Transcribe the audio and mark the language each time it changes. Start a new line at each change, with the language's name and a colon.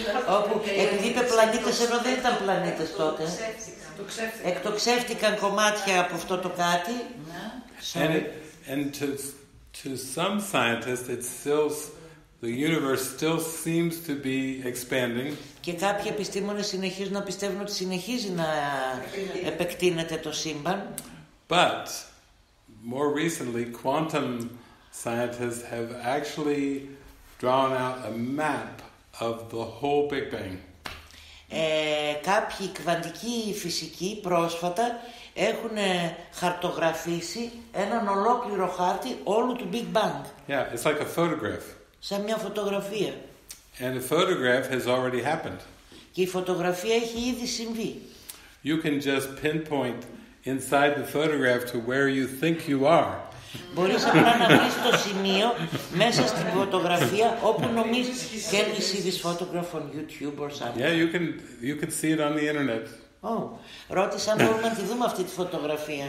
Greek: Όπου επειδή είπε πλανήτες, ενώ δεν ήταν πλανήτες τότε. Εκτοξεύτηκαν κομμάτια από αυτό το κάτι.
English: And to some scientists it still... The universe still seems to be expanding.
Greek: Και κάποιοι επιστήμονες συνεχίζουν να πιστεύουν ότι συνεχίζει να επεκτείνεται το σύμπαν.
English: But more recently, quantum scientists have actually drawn out a map of the whole Big Bang.
Greek: Κάποιοι κβαντικοί φυσικοί πρόσφατα έχουν χαρτογραφήσει έναν ολόκληρο χάρτη όλου του Big Bang.
English: Yeah, it's like a photograph.
Greek: Σαν μια φωτογραφία.
English: And the photograph has already happened.
Greek: Και η φωτογραφία έχει ήδη συμβεί.
English: You can just pinpoint inside the photograph to where you think you are.
Greek: Μπορείς απλά να βρεις το σημείο μέσα στη φωτογραφία όπου νομίζεις.
English: Can you see this photograph on YouTube or something? Yeah, you can see it on the internet.
Greek: Oh, ρώτησα αν μπορούμε να τη δούμε αυτή τη φωτογραφία.